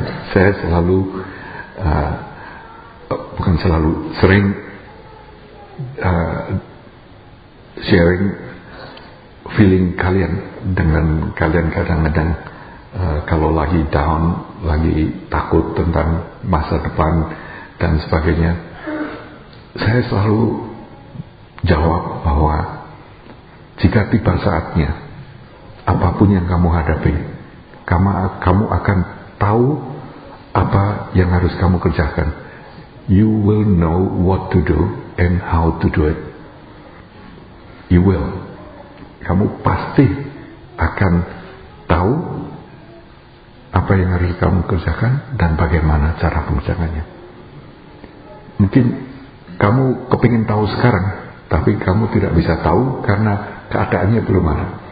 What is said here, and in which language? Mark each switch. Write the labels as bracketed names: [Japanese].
[Indonesian] saya selalu bukan selalu, sering sharing feeling kalian dengan kalian kadang-kadang kalau lagi down, lagi takut tentang masa depan dan sebagainya, saya selalu jawab bahwa jika tiba saatnya, apapun yang kamu hadapi, kamu akan tahu apa yang harus kamu kerjakan. [English] You will know what to do and how to do it. You will. [Indonesian] Kamu pasti akan tahu apa yang harus kamu kerjakan dan bagaimana cara mengerjakannya. Mungkin kamu kepingin tahu sekarang, tapi kamu tidak bisa tahu karena keadaannya belum ada.